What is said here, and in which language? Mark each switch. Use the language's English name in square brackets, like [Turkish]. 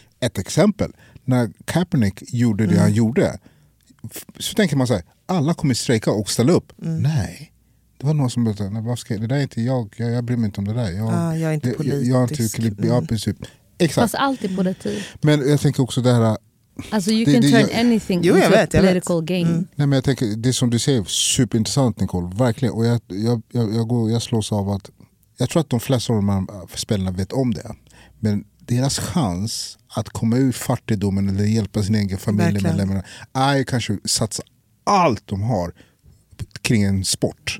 [Swedish] Ett exempel: när Kaepernick gjorde det han gjorde, så tänker man så här, alla kommer strejka och ställa upp. Mm. Nej, det var någon som började, det där är inte jag bryr mig inte om det där. Jag är inte politisk. Exakt. Fast allt är politik. Men jag tänker också det här, alltså [English] you can turn anything into a political game. [Swedish] Mm. Nej, men jag tänker, det som du säger, superintressant Nicole, verkligen. Och jag slås av att, jag tror att de flesta av de här spelarna vet om det, men deras chans att komma ur fattigdomen eller hjälpa sin egen familj med lämna, är kanske satsa allt de har kring en sport.